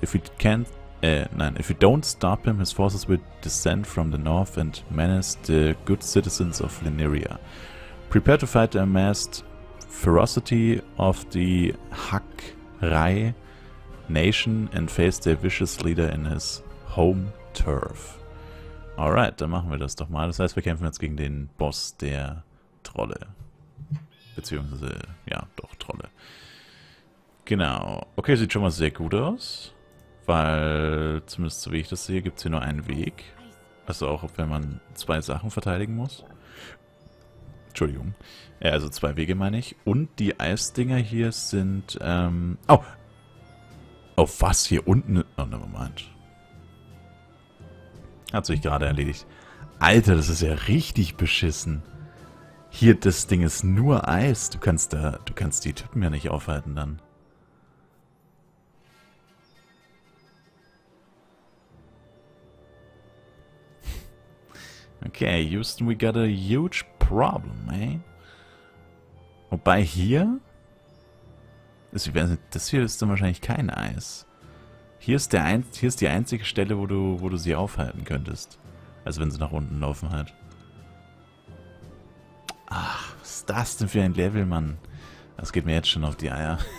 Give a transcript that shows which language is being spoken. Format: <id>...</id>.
<en>If we don't stop him, his forces will descend from the north and menace the good citizens of Lineria. Prepare to fight the amassed ferocity of the Hak'rai Nation and face their vicious leader in his home turf.</en> <de>Alright, dann machen wir das doch mal. Das heißt, wir kämpfen jetzt gegen den Boss der Trolle. Beziehungsweise, ja, doch, Trolle. Genau. Okay, sieht schon mal sehr gut aus. Weil, zumindest so wie ich das sehe, gibt es hier nur einen Weg. Also auch, wenn man zwei Sachen verteidigen muss. Entschuldigung. Ja, also zwei Wege meine ich. Und die Eisdinger hier sind, auf was hier unten? Oh, ne, Moment. Hat sich gerade erledigt. Alter, das ist ja richtig beschissen. Hier, das Ding ist nur Eis. Du kannst die Typen ja nicht aufhalten dann.</de> <en>Okay, Houston, we got a huge problem, eh?</en> <de>Wobei hier... Das hier ist dann wahrscheinlich kein Eis. Hier ist die einzige Stelle, wo du sie aufhalten könntest. Also wenn sie nach unten laufen halt. Ach, was ist das denn für ein Level, Mann? Das geht mir jetzt schon auf die Eier.</de>